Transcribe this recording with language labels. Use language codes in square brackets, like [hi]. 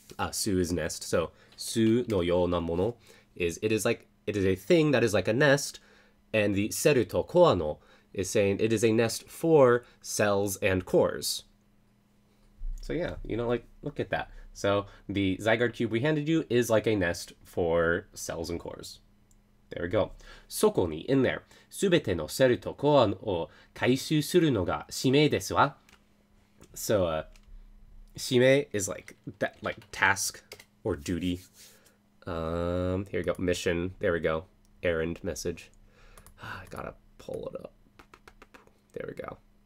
[en] Su is nest, so [ja] su no yō na mono [en] is, it is like, it is a thing that is like a nest, and the [ja] seru to koa no [en] is saying it is a nest for cells and cores. So yeah, you know, like, look at that. So the Zygarde cube we handed you is like a nest for cells and cores. There we go. そこに、in there. [ja] すべてのセルとコアを回収するのが使命ですわ。 [en] So, 使命 is like, that, like task or duty. Here we go. Mission. There we go. Errand message. I gotta pull it up. There we go.